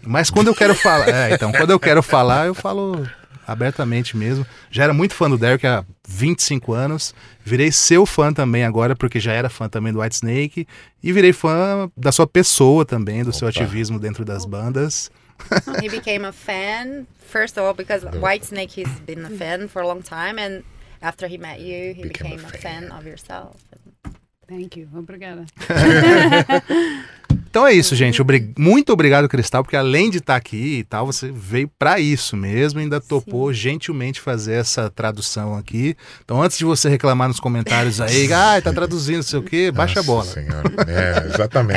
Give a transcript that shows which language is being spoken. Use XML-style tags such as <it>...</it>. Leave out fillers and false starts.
<pt>Mas quando eu quero falar. Então, quando eu quero falar, eu falo abertamente mesmo. Já era muito fã do Derrick há 25 anos. Virei seu fã também agora, porque já era fã também do Whitesnake. E virei fã da sua pessoa também, do seu ativismo dentro das bandas.</pt> <en>He became a fan, first of all, because Whitesnake has been a fan for a long time. And after he met you, he became a fan of yourself. Thank you.</en> <pt>Obrigada. Então é isso, gente. Muito obrigado, Krystal, porque além de estar aqui e tal, você veio para isso mesmo e ainda topou gentilmente fazer essa tradução aqui. Então, antes de você reclamar nos comentários aí, tá traduzindo, sei o quê, baixa Nossa a bola. Senhora. É, exatamente.</pt>